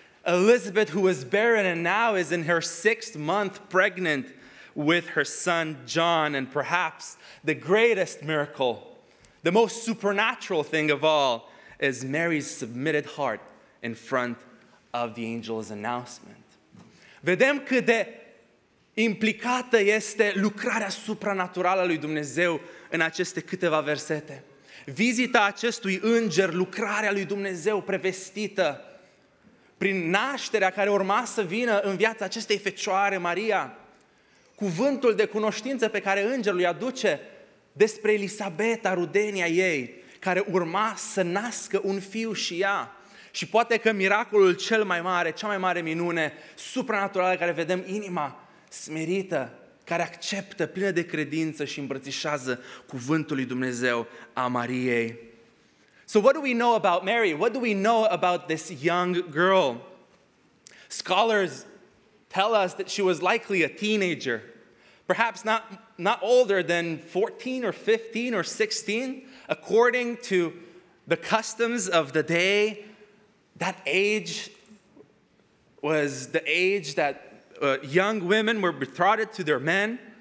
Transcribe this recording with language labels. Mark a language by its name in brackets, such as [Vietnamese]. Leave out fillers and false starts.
[English] Elizabeth, who was barren and now is in her sixth month pregnant with her son John, and perhaps the greatest miracle, the most supernatural thing of all, is Mary's submitted heart in front of the angel's announcement. [Romanian] Vedem cât de implicată este lucrarea supranaturală a lui Dumnezeu în aceste câteva versete. Vizita acestui înger, lucrarea lui Dumnezeu prevestită prin nașterea care urma să vină în viața acestei fecioare, Maria, cuvântul de cunoștință pe care îngerul îi aduce despre Elisabeta, rudenia ei, care urma să nască un fiu și ea. Și poate că miracolul cel mai mare, cea mai mare minune, supranaturală, care vedem inima smerită, care acceptă, plină de credință și îmbrățișează cuvântul lui Dumnezeu a Mariei. [English] So what do we know about Mary? What do we know about this young girl? Scholars tell us that she was likely a teenager, perhaps not older than 14 or 15 or 16. According to the customs of the day, that age was the age that young women were betrothed to their men.